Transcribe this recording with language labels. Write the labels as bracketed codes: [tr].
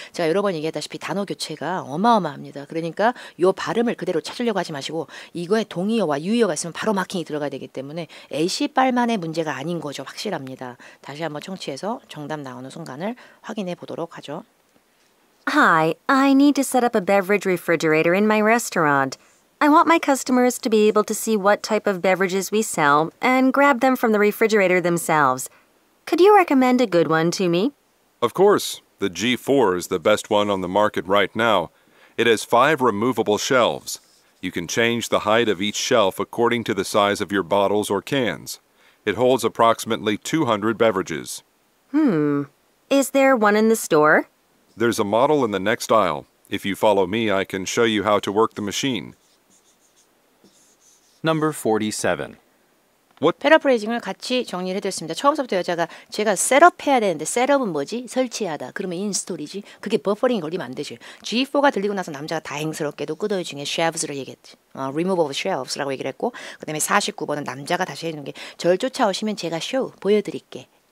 [ko] 제가 여러 번 얘기했다시피 단어 교체가 어마어마합니다. 그러니까 요 발음을 그대로 찾으려고 하지 마시고 이거에 동의어와 유의어가 있으면 바로 마킹이 들어가야 되기 때문에 애시빨만의 문제가 아닌 거죠. 확실합니다. 다시 한번 청취해서 정답 나오는 순간을 확인해보도록 하죠. [en] Hi, I need to set up a beverage refrigerator in my restaurant. I want my customers to be able to see what type of beverages we sell and grab them from the refrigerator themselves. Could you recommend a good one to me? Of course. The G4 is the best one on the market right now. It has 5 removable shelves. You can change the height of each shelf according to the size of your bottles or cans. It holds approximately 200 beverages. Is there one in the store? There's a model in the next aisle. If you follow me, I can show you how to work the machine. Number 47. What? [ko] 패러프레이징을 같이 정리를 해드렸습니다. 처음부터 여자가 제가 셋업해야 되는데 셋업은 뭐지? 설치하다. 그러면 인스톨이지. 그게 버퍼링이 걸리면 안 되지. G4가 들리고 나서 남자가 다행스럽게도 끄더위 중에 shelves를 얘기했지. Remove of shelves 라고 얘기를 했고, 그 다음에 49번은 남자가 다시 해주는 게 절 쫓아오시면 제가 쇼 보여드릴게.